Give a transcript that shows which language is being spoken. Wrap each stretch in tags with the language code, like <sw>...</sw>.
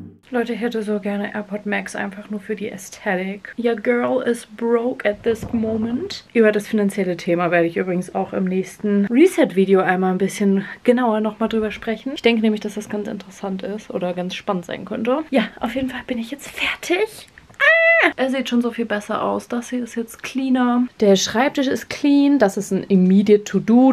<de>Leute, ich hätte so gerne AirPod Max, einfach nur für die Ästhetik.</de> <en>Your girl is broke at this moment.</en> <de>Über das finanzielle Thema werde ich übrigens auch im nächsten Reset-Video einmal ein bisschen genauer nochmal drüber sprechen. Ich denke nämlich, dass das ganz interessant ist oder ganz spannend sein könnte. Ja, auf jeden Fall bin ich jetzt fertig. Er sieht schon so viel besser aus. Das hier ist jetzt cleaner. Der Schreibtisch ist clean. Das ist ein immediate To-Do.</de>